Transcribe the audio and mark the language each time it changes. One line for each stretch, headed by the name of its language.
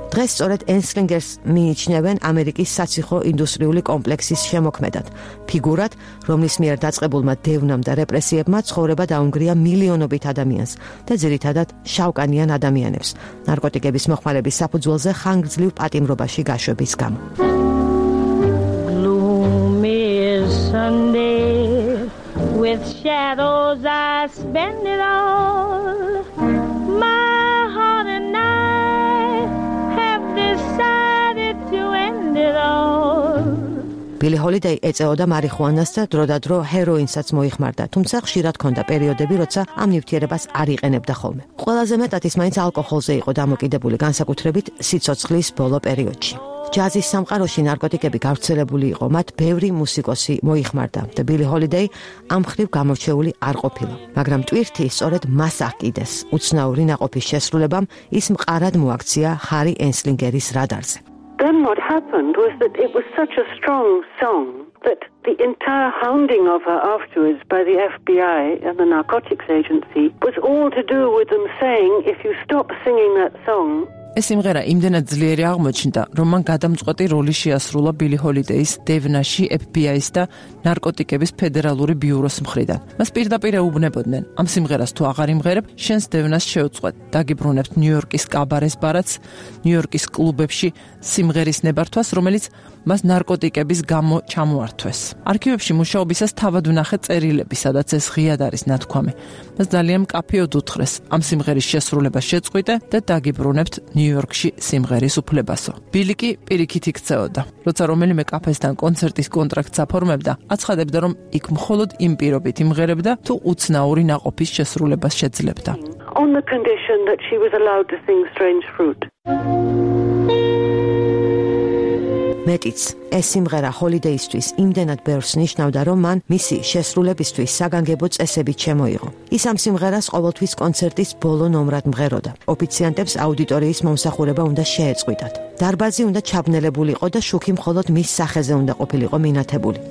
Georgian: დღეს სწორედ ენსლინგერს მიიჩნევენ ამერიკის საციხო ინდუსტრიული კომპლექსის შემოქმედად, ფიგურად, რომლის მიერ დაწყებულმა დევნამ და რეპრესიებმა ცხოვრება დაუნგრია მილიონობით ადამიანს და ძირითადად შავკანიან ადამიანებს. ნარკოტიკების მოხმარების საფუძველზე ხანგრძლივ პატიმრობაში გაშვების გამო.
English: Gloomy Sunday with shadows I spend it all. My heart and I have decided to end it all.
Georgian: ბილი ჰოლიდეი ეწეოდა მარიხუანას და დროდადრო ჰეროინსაც მოიხმარდა, თუმცა ხშირად ჰქონდა პერიოდები, როცა ამ ნივთიერებას არ იყენებდა ხოლმე. ყველაზე მეტად ის მაინც ალკოჰოლზე იყო დამოკიდებული, განსაკუთრებით სიცოცხლის ბოლო პერიოდში. ჯაზის სამყაროში ნარკოტიკები გავრცელებული იყო, მათ ბევრი მუსიკოსი მოიხმარდა და ბილი ჰოლიდეი ამ მხრივ გამორჩეული არ ყოფილა. მაგრამ ტვირთი სწორედ მას აკიდეს. უცნაური ნაყოფის შესრულებამ ის მყარად მოაქცია ჰარი ენსლინგერის რადარზე.
English: Then what happened was that it was such a strong song that the entire hounding of her afterwards by the FBI and the narcotics agency was all to do with them saying, if you stop singing that song,
Georgian: ეს სიმღერა იმდენად ძლიერი აღმოჩნდა, რომ მან გადამწყვეტი როლი შეასრულა ბილი ჰოლიდეის დევნაში FBI-ის და ნარკოტიკების ფედერალური ბიუროს მხრიდან. მას პირდაპირ ეუბნებოდნენ: ამ სიმღერას თუ აღარ იმღერებ, შენს დევნას შეუწყვეტ, დაგიბრუნებთ ნიუ-იორკის კაბარეს ბარათს, ნიუ-იორკის კლუბებში სიმღერის ნებართვას, რომელიც მას ნარკოტიკების გამო ჩამოართვეს. არქივებში მუშაობისას თავად ვნახე წერილები, სადაც ეს ღიად არის ნათქვამი. მას ძალიან მკაფიოდ უთხრეს: ამ სიმღერის შესრულება შეწყვიტე და დაგიბრუნებთ ნიუ-იორკში სიმღერის უფლებასო. ბილი კი პირიქით იქცეოდა. როცა რომელიმე კაფესთან კონცერტის კონტრაქტს აფორმებდა, აცხადებდა, რომ იქ მხოლოდ იმ პირობით იმღერებდა, თუ უცნაური ნაყოფის შესრულებას შეძლებდა.
English: On the condition that she was allowed to sing Strange Fruit.
Georgian: მეტიც, ეს სიმღერა ჰოლიდეისთვის იმდენად ბევრს ნიშნავდა, რომ მან მისი შესრულებისთვის საგანგებო წესები ჩემოიღო. ის ამ სიმღერას ყოველთვის კონცერტის ბოლო ნომრად მღეროდა. ოფიციანტებს აუდიტორიის მომსახურება უნდა შეეწყვიტათ. დარბაზი უნდა ჩაბნელებულიყო და შუქი მხოლოდ მის სახეზე უნდა ყოფილიყო მინათებული.